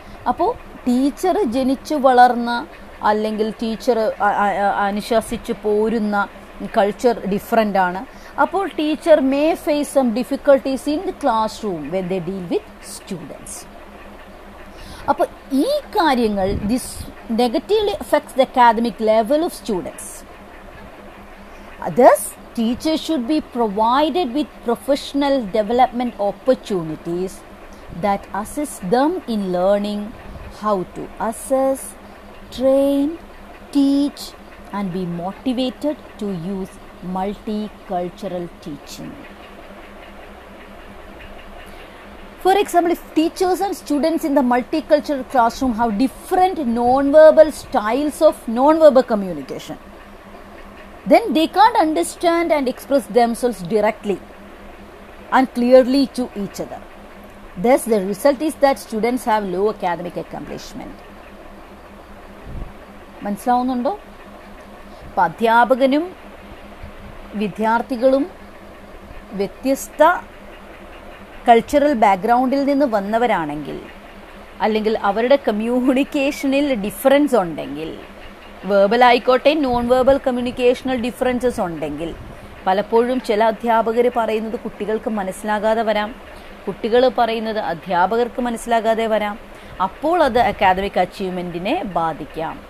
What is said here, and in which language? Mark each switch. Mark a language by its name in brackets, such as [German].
[Malayalam] അപ്പോൾ ടീച്ചർ ജനിച്ചു വളർന്ന അല്ലെങ്കിൽ ടീച്ചർ അനുശാസിച്ച് പോരുന്ന കൾച്ചർ ഡിഫറൻ്റാണ്. [English] അപ്പോൾ teacher may face some difficulties in the classroom when they deal with students. അപ്പോൾ ഈ കാര്യങ്ങൾ this negatively affects the academic level of students. അതേസ് teachers should be provided with professional development opportunities that assist them in learning how to assess, train, teach and be motivated to use multicultural teaching. For example, if teachers and students in the multicultural classroom have different non-verbal styles of non-verbal communication, then they can't understand and express themselves directly and clearly to each other. Thus, the result is that students have low academic accomplishment. [Malayalam] മനസ്സിലാവുന്നുണ്ടോ? അധ്യാപകനും വിദ്യാർത്ഥികളും വ്യത്യസ്ത cultural ബാക്ക്ഗ്രൗണ്ടിൽ നിന്ന് വന്നവരാണെങ്കിൽ, അല്ലെങ്കിൽ അവരുടെ കമ്മ്യൂണിക്കേഷനിൽ difference ഉണ്ടെങ്കിൽ, verbal ആയിക്കോട്ടെ നോൺ വേർബൽ കമ്മ്യൂണിക്കേഷണൽ ഡിഫറൻസസ് ഉണ്ടെങ്കിൽ, പലപ്പോഴും ചില അധ്യാപകർ പറയുന്നത് കുട്ടികൾക്ക് മനസ്സിലാകാതെ വരാം, കുട്ടികൾ പറയുന്നത് അധ്യാപകർക്ക് മനസ്സിലാകാതെ വരാം, അപ്പോൾ അത് അക്കാദമിക് അച്ചീവ്മെൻറ്റിനെ ബാധിക്കാം.